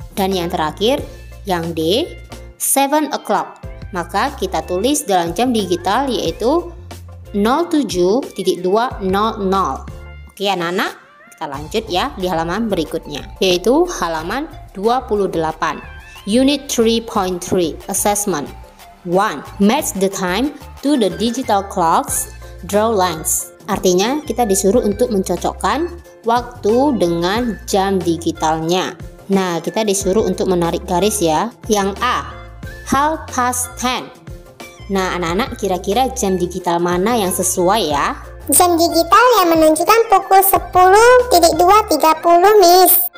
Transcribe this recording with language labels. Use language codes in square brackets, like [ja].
[id] Dan yang terakhir, yang D, 7:00. Maka kita tulis dalam jam digital yaitu 07:02:00. Oke anak-anak, kita lanjut ya di halaman berikutnya, yaitu halaman 28. [en] Unit 3.3 Assessment. 1. Match the time to the digital clock's draw lines. [id] Artinya kita disuruh untuk mencocokkan waktu dengan jam digitalnya. Nah, kita disuruh untuk menarik garis ya. Yang A, 10:30. Nah, anak-anak kira-kira jam digital mana yang sesuai ya? Jam digital yang menunjukkan pukul 10:02:30, Miss.